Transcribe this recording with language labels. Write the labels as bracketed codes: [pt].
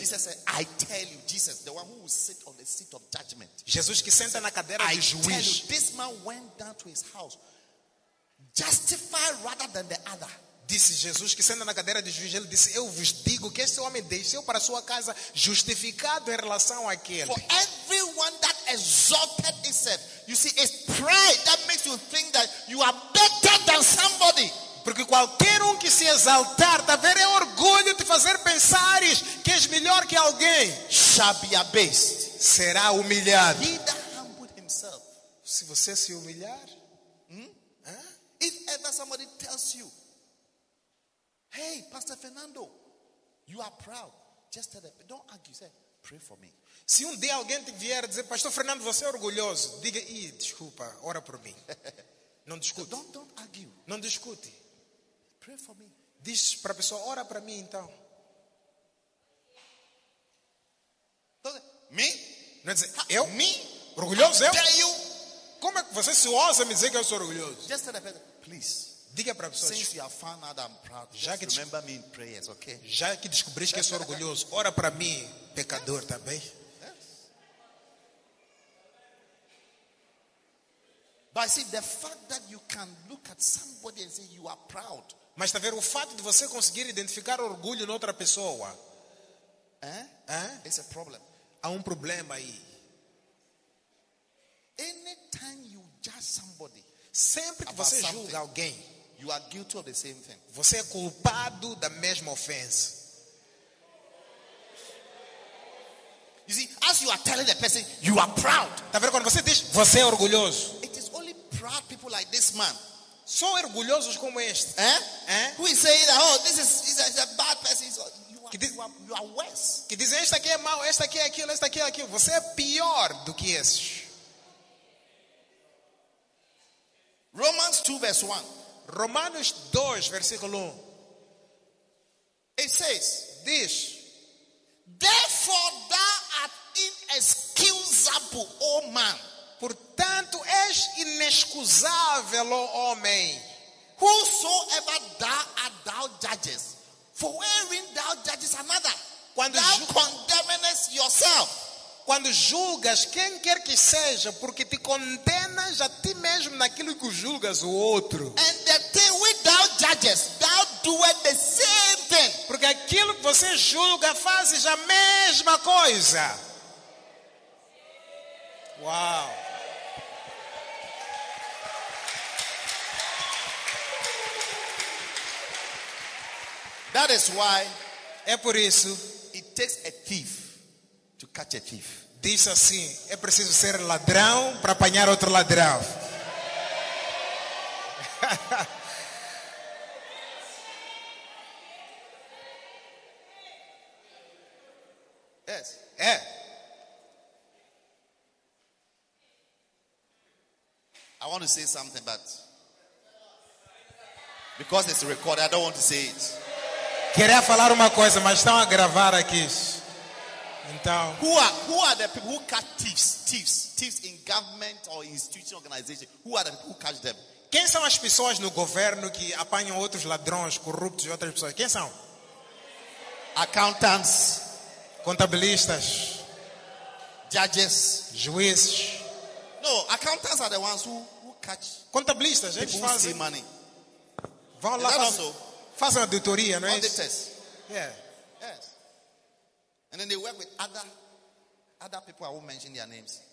[en] Jesus said, I tell you, Jesus, the one who will sit on the seat of judgment. [pt] Jesus que senta na cadeira de juiz. [en] I tell you, this man went down to his house justified rather than the other. [pt] Disse Jesus que senta na cadeira de juiz, ele disse, eu vos digo que esse homem desceu para sua casa justificado em relação àquele. [en] For everyone that exalted himself, you see, it's pride that makes you think that you are better than somebody. [pt] Porque qualquer que se exaltar, tá vendo? É orgulho de fazer pensares que és melhor que alguém. Será humilhado. [en] He that humbled himself. [pt] Se você se humilhar, [en] If ever somebody tells you, hey, Pastor Fernando, you are proud, just tell them, don't argue, say, pray for me. [pt] Se dia alguém te vier dizer, Pastor Fernando, você é orgulhoso, diga, desculpa, ora por mim. Não discute. [en] Don't argue. [pt] Não discute. [en] Pray for me. [pt] Diz para a pessoa, ora para mim então. [en] Me? [pt] Não é dizer, eu? [en] Me? [pt] Orgulhoso eu? [en] Tell you. [pt] Como é que você se ousa me dizer que eu sou orgulhoso? [en] Just tell the person, please. [pt] Diga para a pessoa. [en] Since you have found out I'm proud, [pt] já que [en] remember me in prayers, okay? [pt] Já que descobriste que eu sou orgulhoso, ora para mim, pecador, [en] yes. [pt] Também. [en] But I see the fact that you can look at somebody and say you are proud. [pt] Mas está a ver o fato de você conseguir identificar orgulho noutra pessoa? [en] It's a problem. [pt] Há problema aí. [en] Anytime you judge somebody, [pt] sempre que você julga alguém, [en] you are guilty of the same thing. [pt] Você é culpado da mesma ofensa. [en] You see, as you are telling the person, you are proud. [pt] Está a ver quando você diz, você é orgulhoso. [en] It is only proud people like this man. [pt] São orgulhosos como este. [en] Who is saying that, oh, this is a bad person. You are worse. [pt] Que diz, este aqui é mau, este aqui é aquilo, este aqui é aquilo. Você é pior do que esses. [en] Romans 2, verse 1. [pt] Romanos 2, versículo 1. [en] It says, [pt] diz, [en] therefore thou art inexcusable, O man. [pt] Portanto, és inexcusável, ó homem. [en] Whosoever thou art, thou judges. For wherein thou judges another, [pt] quando [en] thou condemnest yourself. [pt] Quando julgas quem quer que seja, porque te condenas a ti mesmo naquilo que julgas o outro. [en] And the thing which thou judges, thou doest the same thing. [pt] Porque aquilo que você julga, fazes a mesma coisa. Uau! [en] That is why, [pt] é por isso, [en] it takes a thief to catch a thief. [pt] Diz assim, é preciso ser ladrão para apanhar outro ladrão. [en] Yes. [pt] É. [en] I want to say something, but because it's recorded, I don't want to say it. [pt] Queria falar uma coisa, mas estão a gravar aqui. Então, [en] who are the people who catch thieves in government or institution organization? Who are the people who catch them? [pt] Quem são as pessoas no governo que apanham outros ladrões, corruptos e outras pessoas? Quem são? [en] Accountants, [pt] contabilistas. [en] judges, [pt] juízes. [en] No, accountants are the ones who catch. [pt] Contabilistas, eles [en] people [pt] fazem [en] steal money. [pt] Vão lá, fazem auditoria, não é? [en] Auditors. Yeah. Yes. And then they work with other people. I won't mention their names.